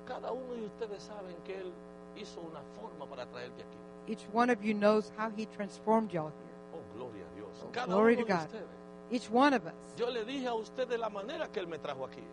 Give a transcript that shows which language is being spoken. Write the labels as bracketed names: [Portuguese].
[Spanish] Cada uno de ustedes saben que él hizo una forma para traerte aquí. [English] Each one of you knows how he transformed y'all here. [Spanish] Oh, gloria a Dios. [English] Oh, [Spanish] cada [English] glory to God. Each one of us. [Spanish] Yo le dije a usted de la manera que él me trajo aquí.